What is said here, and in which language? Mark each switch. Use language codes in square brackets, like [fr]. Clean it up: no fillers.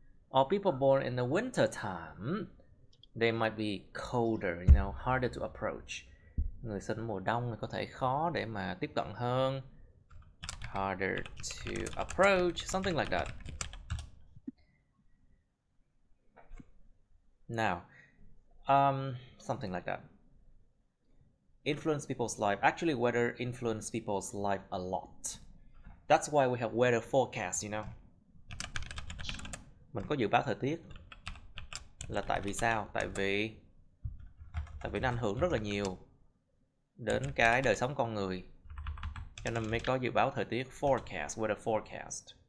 [en] Or people born in the winter time, they might be colder, you know, harder to approach. [vi] Người sinh mùa đông có thể khó để mà tiếp cận hơn. [en] Harder to approach, something like that. Now, something like that. Influence people's life. Actually, weather influences people's life a lot. That's why we have weather forecast, you know. [vi] Mình có dự báo thời tiết là tại vì sao? Tại vì nó ảnh hưởng rất là nhiều đến cái đời sống con người. Cho nên mới có dự báo thời tiết forecast, weather forecast.